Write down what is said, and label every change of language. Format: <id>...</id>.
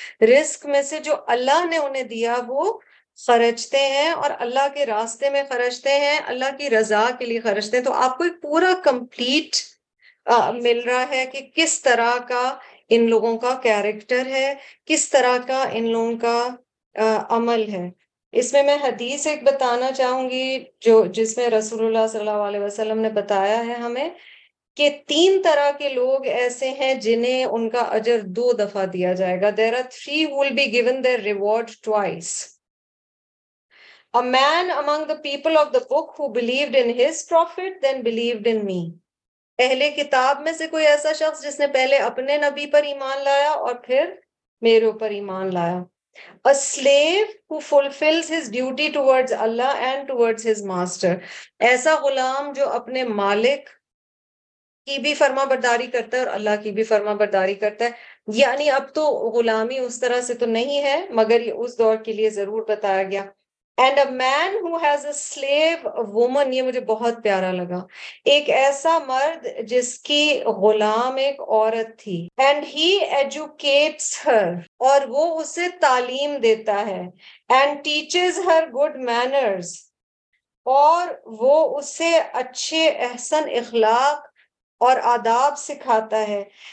<ur>رزق میں سے جو اللہ نے انہیں دیا وہ خرچتے ہیں, اور اللہ کے راستے میں خرچتے ہیں, اللہ کی رضا کے لیے خرچتے ہیں. تو آپ کو ایک پورا کمپلیٹ مل رہا ہے کہ کس طرح کا ان لوگوں کا کیریکٹر ہے, کس طرح کا ان لوگوں کا عمل ہے. اس میں میں حدیث ایک بتانا چاہوں گی جو جس میں رسول اللہ صلی اللہ علیہ وسلم نے بتایا ہے ہمیں کہ تین طرح کے لوگ ایسے ہیں جنہیں ان کا اجر دو دفعہ دیا جائے گا.</ur> <en>There are three who will be given their reward twice. A man among the people of the book who believed in his prophet then believed in me.</en> <ur>پہلے کتاب میں سے کوئی ایسا شخص جس نے پہلے اپنے نبی پر ایمان لایا اور پھر میرے اوپر ایمان لایا.</ur> <en>A slave who fulfills his duty towards Allah and towards his master.</en> <ur>ایسا غلام جو اپنے مالک کی بھی فرما برداری کرتا ہے اور اللہ کی بھی فرما برداری کرتا ہے. یعنی اب تو غلامی اس طرح سے تو نہیں ہے, مگر یہ اس دور کے لیے ضرور بتایا گیا.</ur> <en>And a man who has a slave woman,</en> <ur>یہ مجھے بہت پیارا لگا. ایک ایسا مرد جس کی غلام ایک عورت تھی.</ur> <en>And he educates her,</en> <ur>اور وہ اسے تعلیم دیتا ہے.</ur> <en>And teaches her good manners,</en> <ur>اور وہ اسے اچھے احسن اخلاق اور آداب سکھاتا ہے.</ur>